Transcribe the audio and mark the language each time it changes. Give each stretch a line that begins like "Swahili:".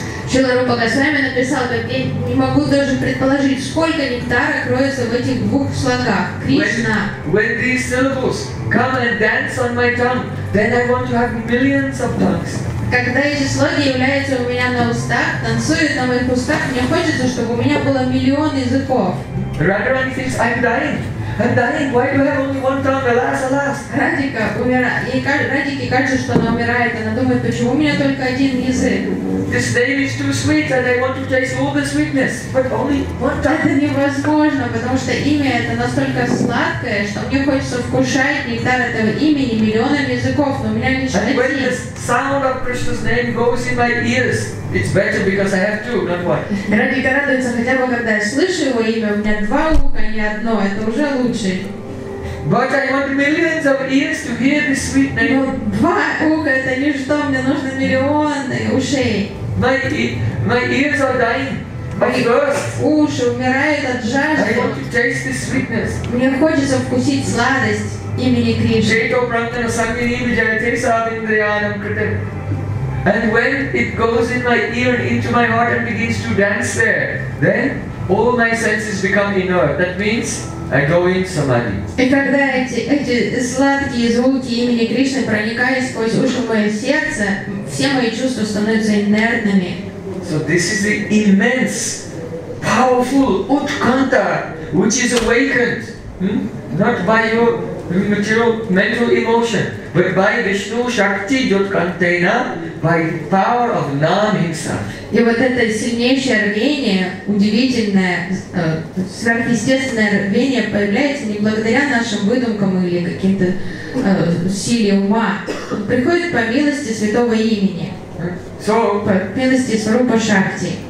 Russian: Шрила Рупа Госвами написал, как я не могу даже предположить, сколько нектара кроется в этих двух слогах. Кришна.
English: When these syllables come and dance on my tongue, then I want to have millions of tongues.
Russian: Когда эти слоги являются у меня на устах, танцуют на моих устах, мне хочется, чтобы у меня было миллион языков.
English: Радхарани thinks I'm dying. And dying, why do I have only one tongue? Alas, alas.
Russian: Радика умирает, и Радики кажется, что она умирает. Она думает, почему у меня только один язык?
English: This name is too sweet, and I want to taste all the sweetness, but only one tongue.
Russian: Это невозможно, потому что имя это настолько сладкое, что мне хочется вкушать нектар этого имени миллионами языков, но у меня лишь один.
English: And when the sound of Krishna's name goes in my ears, it's better because I have two, not one.
Russian: Радика радуется, хотя бы когда я слышу его имя, у меня два уха, не одно. Это уже лучше.
English: But I want millions of ears to hear this sweet name.
Russian: Но два уха это не что, мне нужно миллионы ушей.
English: My ears are dying. My thirst.
Russian: Уши умирают от жажды.
English: I want to taste this sweetness.
Russian: Мне хочется вкусить сладость имени Кришны.
English: And when it goes in my ear into my heart and begins to dance there, then all my senses become inert. That means I go in samadhi.
Russian: И когда эти сладкие звуки имени Кришны проникают сквозь уши моего сердца, все мои чувства становятся инертными.
English: So this is the immense, powerful utkanta, which is awakened, not by your material mental emotion, but by Vishnu Shakti Utkantena, by the power of Nam himself.
Russian: И вот это сильнейшее рвение, удивительное, сверхъестественное рвение появляется не благодаря нашим выдумкам или каким-то силе ума. Приходит по милости Святого Имени,
English: so,
Russian: по милости Сварупа Шакти.